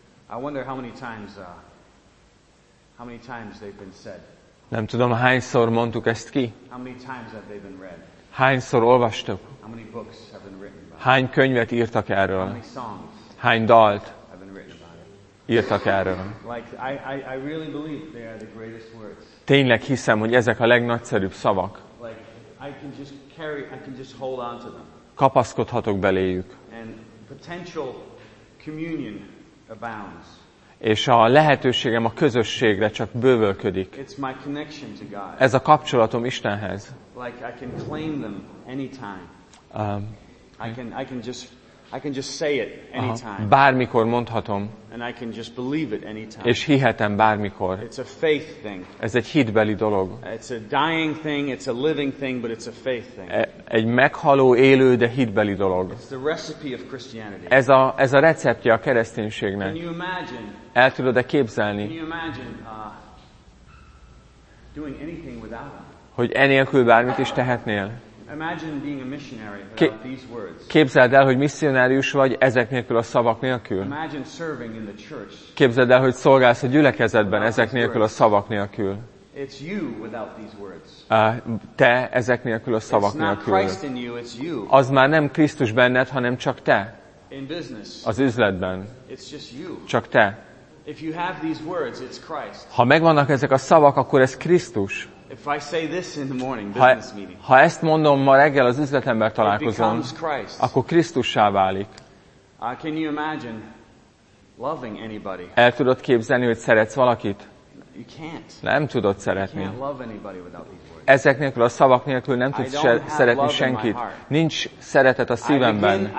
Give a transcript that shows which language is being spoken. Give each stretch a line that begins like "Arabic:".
English: I wonder how many times they've been said.
Hungarian: Nem tudom, hányszor mondtuk ezt ki.
English: How many times have they been read?
Hungarian: Hányszor olvastuk?
English: How many books have been written about?
Hungarian: Hány könyvet írtak erről?
English: How many songs?
Hungarian: Hány dalt? Írtak erről.
English: Like I really believe they are the greatest words.
Hungarian: Tényleg hiszem, hogy ezek a legnagyszerűbb szavak.
English: Like I can just hold on to them.
Hungarian: Kapaszkodhatok beléjük.
English: And potential communion abounds.
Hungarian: És a lehetőségem a közösségre csak bővölködik.
English: It's my connection to God.
Hungarian: Ez a kapcsolatom Istenhez.
English: Like I can claim them anytime. I can just say it anytime.
Hungarian: Bármikor mondhatom.
English: And I can just believe it anytime.
Hungarian: És hihetem bármikor.
English: It's a faith thing.
Hungarian: Ez egy hitbeli dolog.
English: It's a dying thing, it's a living thing, but it's a faith thing.
Hungarian: Egy meghaló, élő, de hitbeli dolog.
English: It's the recipe of Christianity.
Hungarian: Ez a receptje a kereszténységnek.
English: Can you imagine?
Hungarian: El tudod-e képzelni?
English: Can you imagine doing anything without it?
Hungarian: Hogy enélkül bármit is tehetnél?
English: Imagine being a missionary without these words.
Hungarian: Képzeld el, hogy misszionárius vagy ezek nélkül a szavak nélkül.
English: Imagine serving in the church.
Hungarian: Képzeld el, hogy szolgálsz a gyülekezetben ezek nélkül a szavak nélkül.
English: It's you without these words.
Hungarian: Te ezek nélkül a szavak nélkül.
English: It's not Christ in you, it's you.
Hungarian: Az már nem Krisztus benned, hanem csak te.
English: In business.
Hungarian: Az üzletben.
English: It's just you.
Hungarian: Csak te.
English: If you have these words, it's Christ.
Hungarian: Ha megvannak ezek a szavak, akkor ez Krisztus.
English: If I say this in the morning, business meeting,
Hungarian: ha ezt mondom ma reggel az üzletember találkozón, akkor Krisztussá válik.
English: Can you imagine loving anybody?
Hungarian: El tudod képzelni, hogy szeretsz valakit?
English: You can't.
Hungarian: Nem tudod szeretni.
English: You can't love anybody without these words.
Hungarian: Ezek nélkül, a szavak nélkül nem tudsz szeretni senkit. Nincs szeretet a szívemben.